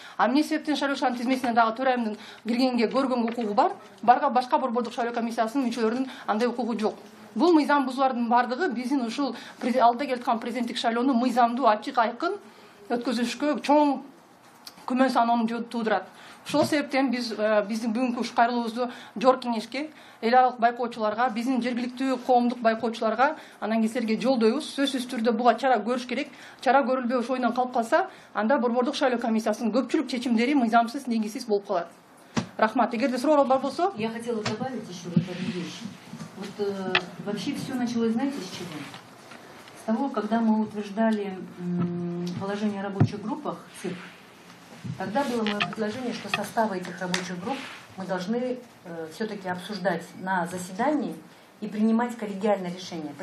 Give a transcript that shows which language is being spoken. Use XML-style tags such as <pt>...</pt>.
<ky>А эмне себептен шайлоочулардын тизмесине дагы төрайымдын киргенге көргөнгө укугу бар, барга башка борбордук шайлоо комиссиясынын мүчөлөрүнүн андай укугу жок. Бул мыйзам бузуулардын баардыгы биздин ушул алдыда келе жаткан президенттик шайлоону мыйзамдуу, ачык, айкын өткөзүшкө чоң күмән санын тудырат.</ky> <kk>Шол себептен біз, біздің бүгінгі шығарылуызды жор кенешке, ел аралық байқаушыларға, біздің жергілікті қоғамдық байқаушыларға, анан кесерге жолдойбуз.</kk> <ky>Сөзсүз түрдө буга чара көрүш керек. Чара көрүлбөй ошо ойдон калып калса, анда борбордук шайлоо комиссиясынын көпчүлүк чечимдери мыйзамсыз, негизсиз болуп калат. Рахмат. Эгер де суроо бар болсо,</ky> <ru>я хотела добавить еще вот одну вещь. Вот вообще все началось, знаете, с чего? С того, когда мы утверждали положение о рабочих группах, ЦИК, тогда было мое предложение, что составы этих рабочих групп мы должны все-таки обсуждать на заседании и принимать коллегиальное решение.</ru>